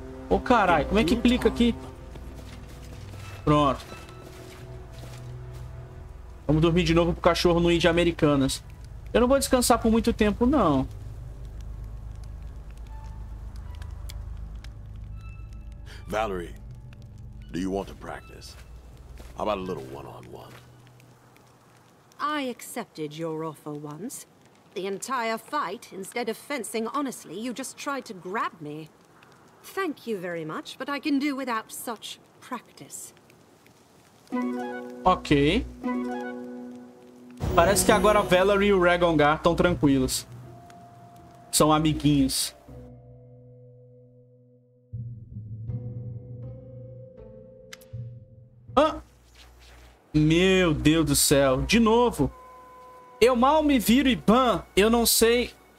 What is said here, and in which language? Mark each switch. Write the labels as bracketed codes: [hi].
[pt] Ô, caralho, como é que clica aqui? Pronto. Vamos dormir de novo pro cachorro no ID Americanas. Eu não vou descansar por muito tempo, não. [en] Valerie, do you want to practice? How about a little one-on-one? I accepted your offer once. The entire fight, instead of fencing honestly, you just tried to grab me. Thank you very much, but I can do without such practice. Ok. [pt] Parece que agora a Valerie e o Ragongar estão tranquilos. São amiguinhos. Ah! Meu Deus do céu. De novo. Eu mal me viro e, bam, eu não sei